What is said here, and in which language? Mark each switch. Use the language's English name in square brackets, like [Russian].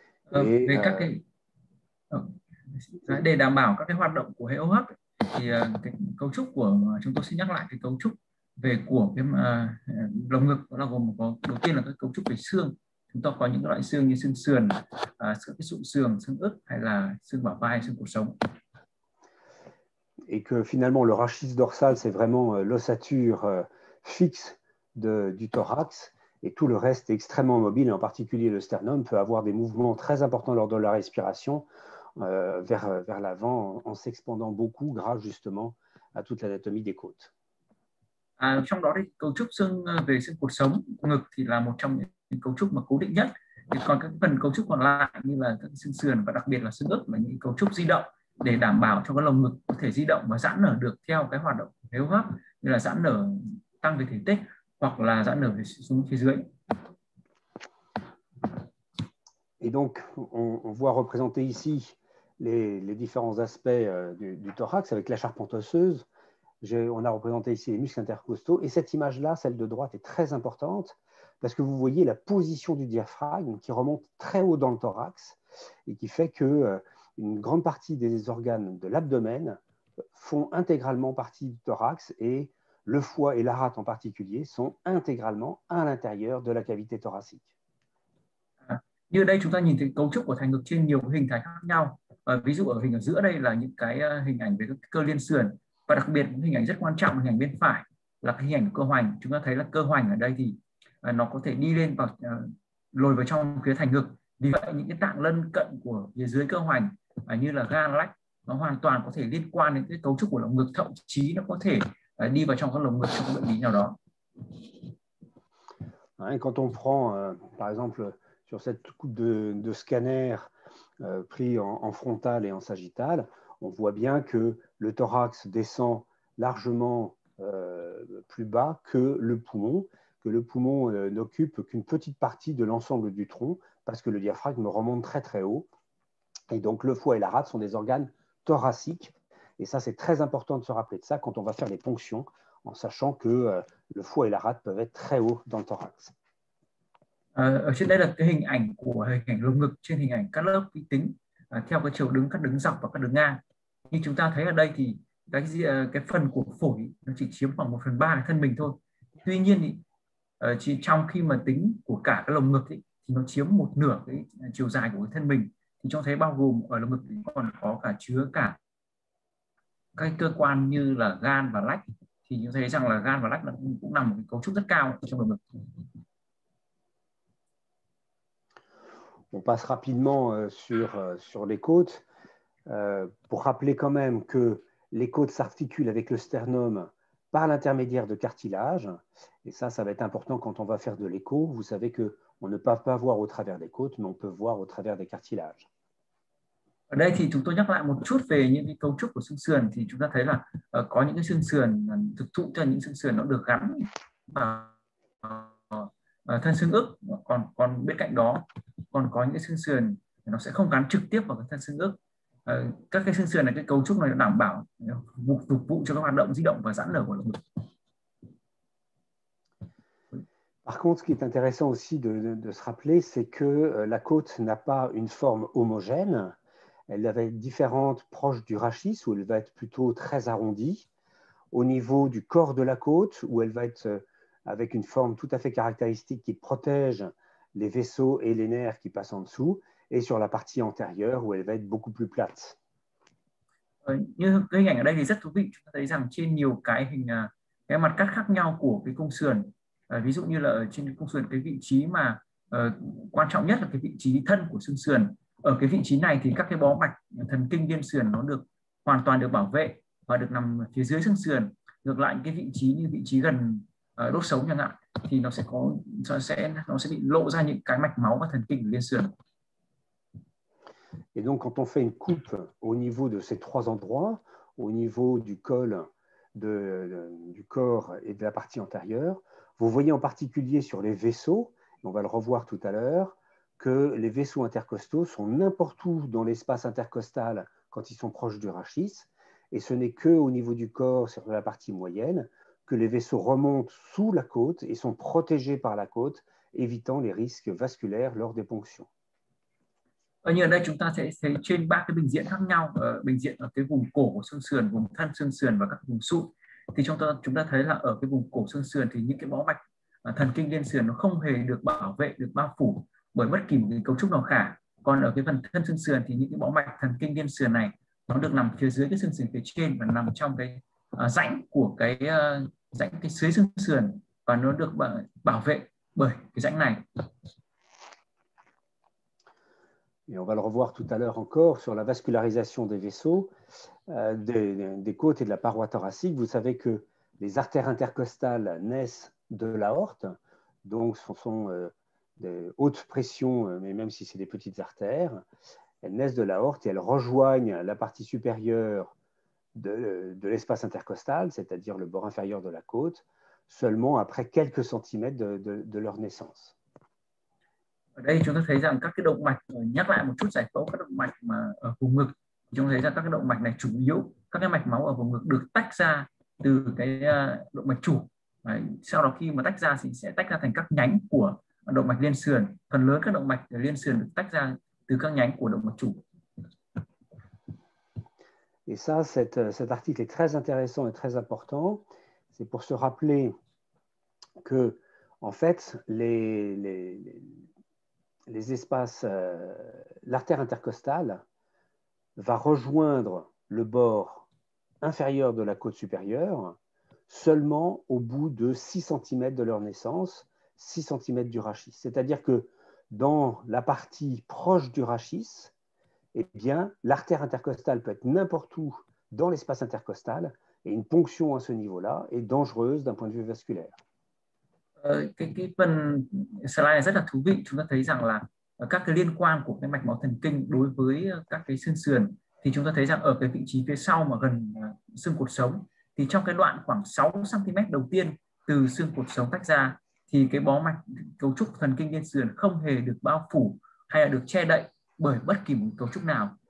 [Vietnamese] Về các cái để đảm bảo các cái hoạt động của hệ hô hấp thì cái cấu trúc của chúng tôi sẽ nhắc lại cái cấu trúc về của cái lồng ngực, đó là gồm có đầu tiên là cái cấu trúc về xương. Chúng ta có những loại xương như xương sườn, các cái sụn sườn, xương ức hay là xương bả vai, xương cột sống. [French] Et que finalement le rachis dorsal, c'est vraiment l'ossature fixe du thorax, et tout le reste est extrêmement mobile, et en particulier le sternum peut avoir des mouvements très importants lors de la respiration vers l'avant, en s'expandant beaucoup grâce justement à toute l'anatomie des côtes. [Vietnamese] Trong đó thì cấu trúc xương về xương cột sống ngực thì là một trong những cấu trúc mà cố định nhất, thì còn các phần cấu trúc còn lại như là các xương sườn và đặc biệt là xương ức là những cấu trúc di động để đảm bảo cho cái lồng ngực có thể di động và giãn nở được theo cái hoạt động hô hấp, như là giãn nở tăng về thể tích hoặc là giãn nở xuống phía dưới. [French] Et donc, on voit représenter ici les différents aspects du thorax avec la charpente osseuse. On a représenté ici les muscles intercostaux. Et cette image-là, celle de droite, est très importante parce que vous voyez la position du diaphragme qui remonte très haut dans le thorax et qui fait qu'une grande partie des organes de l'abdomen font intégralement partie du thorax et le foie et l'arate en particulier sont intégralement à l'intérieur de la cavité thoracique. [Vietnamese] Như đây chúng ta nhìn thấy cấu trúc của thành ngực trên nhiều hình thái khác nhau. Ví dụ ở hình ở giữa đây là những cái hình ảnh về các cơ liên sườn, và đặc biệt hình ảnh rất quan trọng hình ảnh bên phải là cái hình ảnh cơ hoành. Chúng ta thấy là cơ hoành ở đây thì nó có thể đi lên và lồi vào trong phía thành ngực. Vì vậy những cái tạng lân cận của phía dưới cơ hoành như là gan lách nó hoàn toàn có thể liên quan đến cái cấu trúc của lồng ngực, thậm chí nó có thể đi vào trong các lồng ngực trong bệnh lý nào đó. [French] Et quand on prend, par exemple, sur cette coupe de scanner pris en frontal et en sagittal, on voit bien que le thorax descend largement plus bas que le poumon n'occupe qu'une petite partie de l'ensemble du tronc, parce que le diaphragme remonte très très haut. Et donc le foie et la rate sont des organes thoraciques. Et ça, c'est très important de se rappeler de ça quand on va faire les ponctions, en sachant que le foie et la rate peuvent être très haut dans le thorax. [Vietnamese] Ở trên đây là cái hình ảnh của hình ảnh lồng ngực trên hình ảnh các lớp vi tính theo cái chiều đứng, các đứng dọc và các đứng ngang. Như chúng ta thấy ở đây thì cái phần của phổi nó chỉ chiếm khoảng 1/3 cái thân mình thôi. Tuy nhiên thì chỉ trong khi mà tính của cả cái lồng ngực ấy, thì nó chiếm một nửa cái chiều dài của cái thân mình. Thì cho thấy bao gồm ở lồng ngực còn có cả chứa cả các cơ quan như là gan và lách. Thì chúng thấy rằng là gan và lách cũng nằm một cái cấu trúc rất cao trong lồng ngực. [French] On passe rapidement sur les côtes pour rappeler quand même que les côtes s'articulent avec le sternum par l'intermédiaire de cartilage. Et ça va être important quand on va faire de l'écho. Vous savez que on ne peut pas voir au travers des côtes, mais on peut voir au travers des cartilages. [Vietnamese] Ở đây thì chúng tôi nhắc lại một chút về những cái cấu trúc của xương sườn, thì chúng ta thấy là có những cái xương sườn thực thụ cho những xương sườn nó được gắn vào thân xương ức, còn còn bên cạnh đó còn có những cái xương sườn nó sẽ không gắn trực tiếp vào cái thân xương ức. Các cái xương sườn này, cái cấu trúc này nó đảm bảo phục vụ cho các hoạt động di động và giãn nở của lồng ngực. [French] Par contre, ce qui est intéressant aussi de se rappeler, c'est que la côte n'a pas une forme homogène. Elle va être différente proche du rachis, où elle va être plutôt très arrondie. Au niveau du corps de la côte, où elle va être avec une forme tout à fait caractéristique qui protège les vaisseaux et les nerfs qui passent en dessous. Et sur la partie antérieure, où elle va être beaucoup plus plate. [Vietnamese] Như cái hình ảnh ở đây thì rất thú vị, chúng ta thấy rằng trên nhiều cái hình cái mặt cắt khác nhau của cái cung sườn, ví dụ như là ở trên cung sườn cái vị trí mà quan trọng nhất là cái vị trí thân của xương sườn, ở cái vị trí này thì các cái bó mạch thần kinh liên sườn nó được hoàn toàn được bảo vệ và được nằm phía dưới xương sườn. Ngược lại cái vị trí như vị trí gần đốt sống chẳng hạn thì nó sẽ bị lộ ra những cái mạch máu và thần kinh liên sườn. [French] Et donc, quand on fait une coupe au niveau de ces trois endroits, au niveau du col du corps et de la partie antérieure, vous voyez en particulier sur les vaisseaux, on va le revoir tout à l'heure, que les vaisseaux intercostaux sont n'importe où dans l'espace intercostal quand ils sont proches du rachis, et ce n'est qu'au niveau du corps, sur la partie moyenne, que les vaisseaux remontent sous la côte et sont protégés par la côte, évitant les risques vasculaires lors des ponctions. [Vietnamese] Ở như ở đây chúng ta sẽ thấy trên ba cái bình diện khác nhau, bình diện ở cái vùng cổ của xương sườn, vùng thân xương sườn và các vùng sụn. Thì chúng ta thấy là ở cái vùng cổ xương sườn thì những cái bó mạch thần kinh liên sườn nó không hề được bảo vệ, được bao phủ bởi bất kỳ một cái cấu trúc nào cả. Còn ở cái phần thân xương sườn thì những cái bó mạch thần kinh liên sườn này nó được nằm phía dưới cái xương sườn phía trên và nằm trong cái rãnh của cái rãnh cái dưới xương sườn và nó được bảo vệ bởi cái rãnh này. [French] Et on va le revoir tout à l'heure encore sur la vascularisation des vaisseaux, des côtes et de la paroi thoracique. Vous savez que les artères intercostales naissent de l'aorte, donc ce sont des hautes pressions, mais même si c'est des petites artères, elles naissent de l'aorte et elles rejoignent la partie supérieure de l'espace intercostal, c'est-à-dire le bord inférieur de la côte, seulement après quelques centimètres de leur naissance. [Vietnamese] Ở đây chúng ta thấy rằng các cái động mạch, nhắc lại một chút giải phẫu các động mạch mà ở vùng ngực, chúng ta thấy rằng các cái động mạch này chủ yếu các cái mạch máu ở vùng ngực được tách ra từ cái động mạch chủ. Đấy. Sau đó khi mà tách ra thì sẽ tách ra thành các nhánh của động mạch liên sườn. Phần lớn các động mạch liên sườn được tách ra từ các nhánh của động mạch chủ. [French] Et ça, cet article est très intéressant et très important. C'est pour se rappeler que, en fait, les espaces, l'artère intercostale va rejoindre le bord inférieur de la côte supérieure seulement au bout de 6 cm de leur naissance, 6 cm du rachis. C'est-à-dire que dans la partie proche du rachis, eh bien, l'artère intercostale peut être n'importe où dans l'espace intercostal, et une ponction à ce niveau-là est dangereuse d'un point de vue vasculaire. [Vietnamese] Cái phần slide này rất là thú vị. Chúng ta thấy rằng là các cái liên quan của cái mạch máu thần kinh đối với các cái xương sườn thì chúng ta thấy rằng ở cái vị trí phía sau mà gần xương cột sống thì trong cái đoạn khoảng 6 cm đầu tiên từ xương cột sống tách ra thì cái bó mạch cấu trúc thần kinh liên sườn không hề được bao phủ hay là được che đậy bởi bất kỳ một cấu trúc nào.